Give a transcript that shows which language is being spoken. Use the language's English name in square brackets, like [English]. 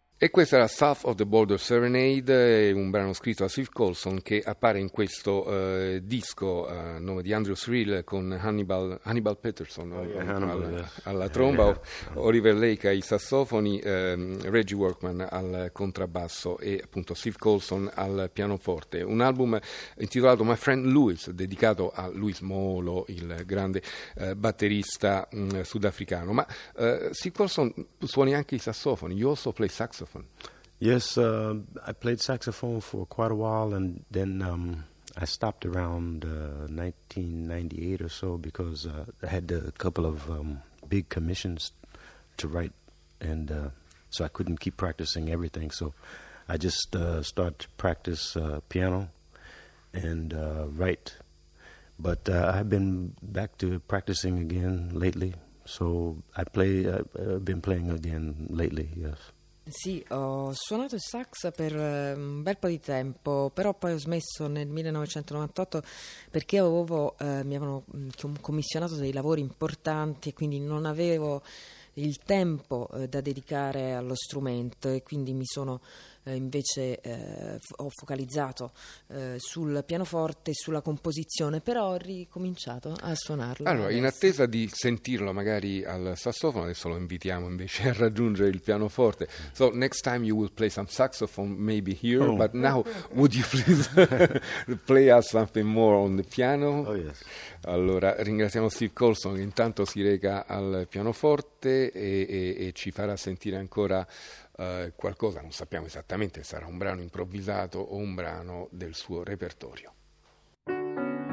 [Italian] questa era South of the Border Serenade, un brano scritto da Steve Coulson che appare in questo disco a nome di Andrew Thrill con Hannibal Peterson alla tromba, Oliver Lake ai sassofoni, Reggie Workman al contrabbasso e appunto Steve Coulson al pianoforte. Un album intitolato My Friend Louis, dedicato a Louis Molo, il grande batterista sudafricano. Ma Steve Coulson suoni anche i sassofoni. [English] You also play saxophone. Yes, I played saxophone for quite a while, and then I stopped around 1998 or so because I had a couple of big commissions to write, and so I couldn't keep practicing everything. So I just started to practice piano and write. But I've been back to practicing again lately, so I've been playing again lately, yes. [Italian] Sì, ho suonato il sax per un bel po' di tempo, però poi ho smesso nel 1998 perché mi avevano commissionato dei lavori importanti e quindi non avevo il tempo da dedicare allo strumento e quindi mi sono ho focalizzato sul pianoforte e sulla composizione, però ho ricominciato a suonarlo. Allora, adesso, in attesa di sentirlo magari al sassofono, adesso lo invitiamo invece a raggiungere il pianoforte. [English] So, next time you will play some saxophone, maybe here, oh, but now would you please play us something more on the piano? Oh, yes. [Italian] Allora, ringraziamo Steve Coulson, intanto si reca al pianoforte e ci farà sentire ancora qualcosa, non sappiamo esattamente se sarà un brano improvvisato o un brano del suo repertorio. [English] Thank you.